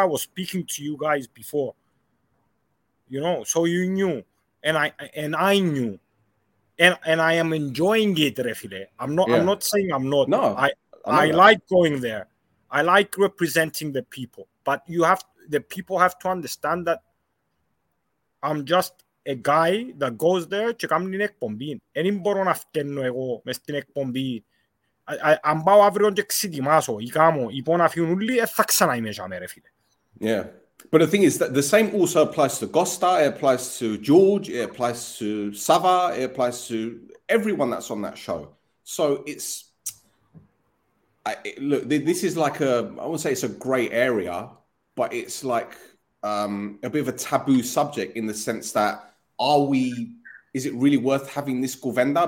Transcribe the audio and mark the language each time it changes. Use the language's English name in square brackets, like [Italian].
[English] I was speaking to you guys before, you know, so you knew, and I knew, and I am enjoying it, refile. I'm not saying I'm not. No, I like going there. I like representing the people, but the people have to understand that I'm just a guy that goes there to come in εκπομπή. [Greek] Εν μπορώ να φταίνω εγώ μες στην εκπομπή. Αν πάω αύριο και ξετοιμάσω ή κάνω, ή πω να φύγουν όλοι, θα ξανά είμαι για μέρε, φίλε. [English] Yeah. But the thing is that the same also applies to Gosta, it applies to George, it applies to Sava, it applies to everyone that's on that show. So it's, this is like I wouldn't say it's a gray area, but it's like a bit of a taboo subject in the sense that is it really worth having this Govenda?